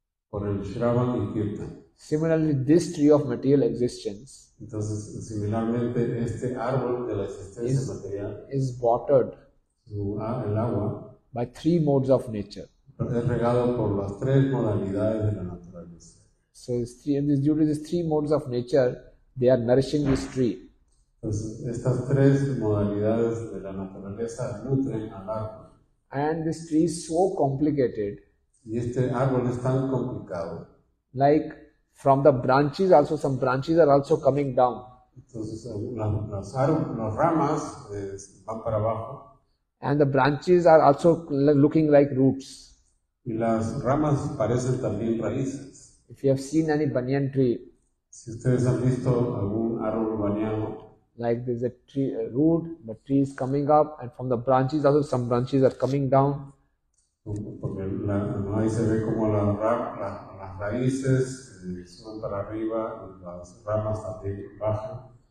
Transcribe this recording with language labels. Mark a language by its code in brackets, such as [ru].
[es] Por el Shravan y Kirtan. [en] Similarly, this tree of material existence, [es] entonces, similarmente, este árbol de la existencia material, [en] is watered, [es] el agua, [en] by three modes of nature. [es] Es regado por las tres modalidades de la naturaleza. [en] So, due to these three modes of nature, they are nourishing this tree. [es] Entonces, estas tres modalidades de la naturaleza nutren al árbol. [en] And this tree is so complicated. [es] Y este árbol es tan complicado. [en] Like from the branches also, some branches are also coming down. [es] Entonces, las ramas van para abajo. [en] And the branches are also looking like roots. [es] Y las ramas parecen también raíces. [en] If you have seen any banyan tree, [es] si ustedes han visto algún árbol baneado, [en] like there's a tree, a root, the tree is coming up, and from the branches also some branches are coming down. [es] Porque ahí se ve como las raíces suben para arriba, las ramas también bajan.